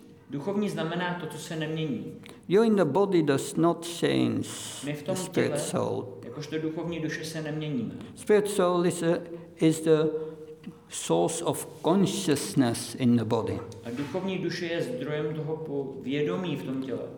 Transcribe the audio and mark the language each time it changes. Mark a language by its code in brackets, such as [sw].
[cs] Duchovní znamená to, co se nemění. [en] You in the body does not change. [cs] My v tom těle, jakožto duchovní duše se neměníme. [en] Spirit soul is the source of consciousness in the body. [cs] A duchovní duše je zdrojem toho vědomí v tom těle.